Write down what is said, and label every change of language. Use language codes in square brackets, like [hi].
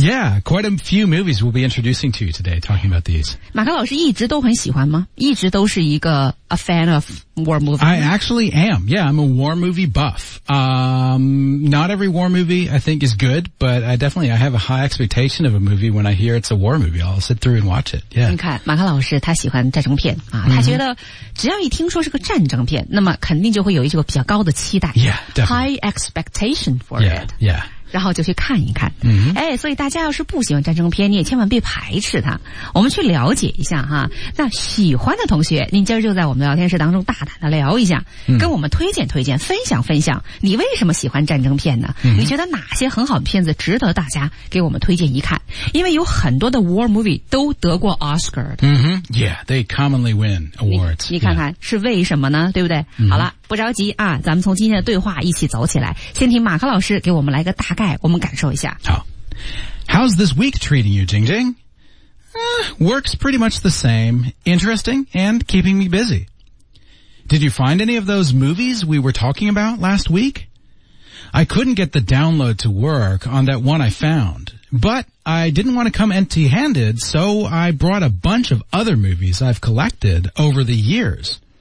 [en] yeah quite a few movies we'll be introducing to you today talking about these [zh] 马克老师一直都很喜欢吗一直都是一个 [en] a fan of war movies I actually am yeah I'm a war movie buff not every war movie I think is good but I definitely I have a high expectation of a movie when I hear it's a war movie I'll sit through and watch it yeah [zh] 你看马克老师他喜欢战争片、他觉得只要一听说是个战争片那么肯定就会有一个比较高的期待 [en] yeah definitely. high expectation for yeah, it yeah [zh] 然后就去看一看、哎，所以大家要是不喜欢战争片你也千万别排斥它我们去了解一下哈。那喜欢的同学您今儿就在我们的聊天室当中大胆的聊一下、跟我们推荐推荐分享分享你为什么喜欢战争片呢、你觉得哪些很好的片子值得大家给我们推荐一看因为有很多的 war movie 都得过 Oscar 的、 [en] Yeah, they commonly win awards [zh] 你看看、是为什么呢对不对、好了不着急啊，咱们从今天的对话一起走起来。先听马克老师给我们来个大概，我们感受一下。 [en] 好 ，How's this week treating you, Jing Jing?、Works pretty much the same. Interesting and keeping me busy. Did you find any of those movies we were talking about last week? I couldn't get the download to work on that one I found, but I didn't want to come empty-handed, so I brought a bunch of other movies I've collected over the years.